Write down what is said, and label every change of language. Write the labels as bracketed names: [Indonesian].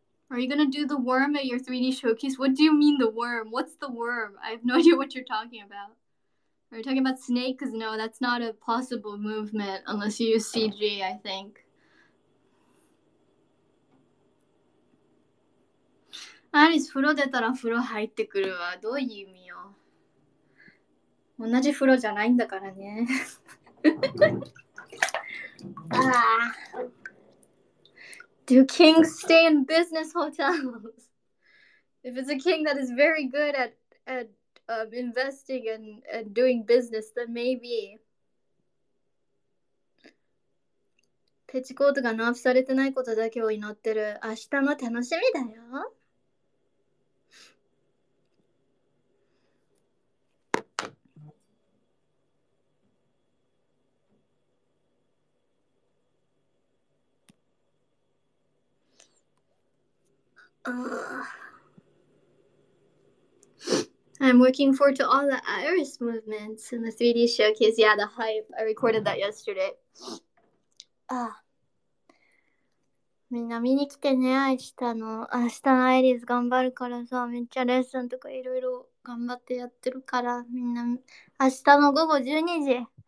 [English] Are you gonna do the worm at your 3D showcase? What do you mean the worm? What's the worm? I have no idea what you're talking about. Are you talking about snake? Because no, that's not a possible movement unless you use CG, I think. [Japanese] アリス、風呂出たら風呂入ってくるわ。どういう意味よ。同じ風呂じゃないんだからね。ああ。 [English] Do kings stay in business hotels? If it's a king that is very good at investing and doing business, then maybe. [Japanese] ペチコートがナーフされてないことだけを祈ってる。明日も楽しみだよ。 [English] I'm looking forward to all the Iris movements in the 3D showcase. Yeah, the hype. I recorded that yesterday. Ah. [Japanese] みんな見に来てね、明日のアイリス頑張るからさ、めっちゃレッスンとかいろいろ頑張ってやってるから、みんな、明日の午後12時。